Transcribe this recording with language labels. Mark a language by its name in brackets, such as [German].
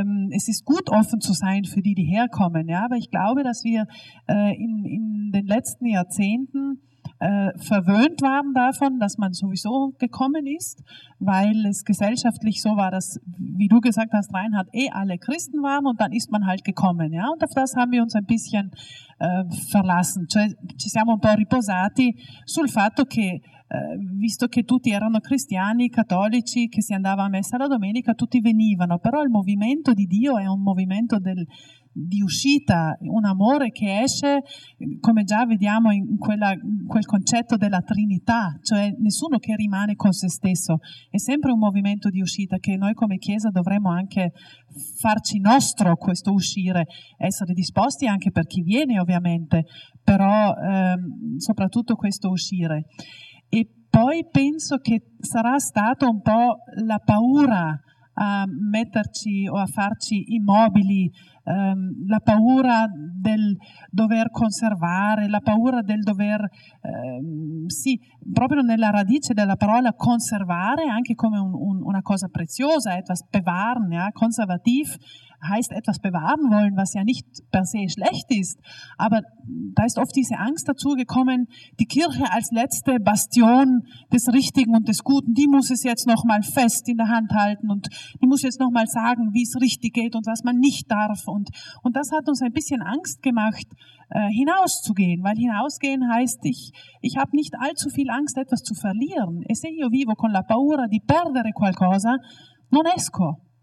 [German] Es ist gut, offen zu sein für die, die herkommen. Ja? Aber ich glaube, dass wir in den letzten Jahrzehnten verwöhnt waren davon, dass man sowieso gekommen ist, weil es gesellschaftlich so war, dass, wie du gesagt hast, Reinhard, alle Christen waren und dann ist man halt gekommen. Ja? Und auf das haben wir uns ein bisschen verlassen. [Italian] Cioè, ci siamo un po' riposati sul fatto che visto che tutti erano cristiani, cattolici, che si andava a messa la domenica, tutti venivano. Però il movimento di Dio è un movimento di uscita, un amore che esce, come già vediamo in quel concetto della Trinità, cioè nessuno che rimane con se stesso. È sempre un movimento di uscita che noi come Chiesa dovremmo anche farci nostro, questo uscire, essere disposti anche per chi viene ovviamente, però soprattutto questo uscire. E poi penso che sarà stato un po' la paura a metterci o a farci immobili, la paura del dover conservare, la paura del dover, sì, proprio nella radice della parola conservare, anche come una cosa preziosa, [German] etwas bewahren, ja, konservativ, heißt etwas bewahren wollen, was ja nicht per se schlecht ist. Aber da ist oft diese Angst dazu gekommen, die Kirche als letzte Bastion des Richtigen und des Guten, die muss es jetzt nochmal fest in der Hand halten und die muss jetzt nochmal sagen, wie es richtig geht und was man nicht darf. Und das hat uns ein bisschen Angst gemacht, hinauszugehen, weil hinausgehen heißt, ich habe nicht allzu viel Angst, etwas zu verlieren. [Italian] E se io vivo con la paura di perdere qualcosa, non esco.